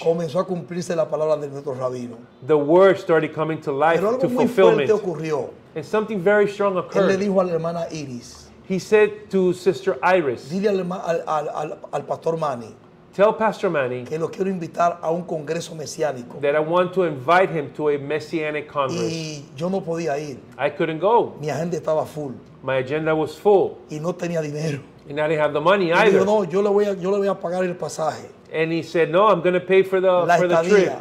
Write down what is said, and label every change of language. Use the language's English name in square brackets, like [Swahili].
[Spanish] Comenzó a cumplirse la palabra de nuestro rabino. [English] The word started coming to life. [Spanish] Pero algo [English] to [Spanish] muy [English] fulfillment. [Spanish] Fuerte ocurrió. [English] And something very strong occurred. [Spanish] Él le dijo a la hermana Iris, [English] he said to Sister Iris, [Spanish] dile al Pastor Manny, [English] tell Pastor Manny [Spanish] que lo quiero invitar a un congreso mesiánico. [English] That I want to invite him to a messianic congress. [Spanish] Y yo no podía ir. [English] I couldn't go. [Spanish] Mi agenda estaba full. [English] My agenda was full. [Spanish] Y no tenía dinero. [English] And I didn't have the money either. [Spanish] Y dijo, no, yo le voy a pagar el pasaje. [English] And he said, no, I'm going to pay for the trip.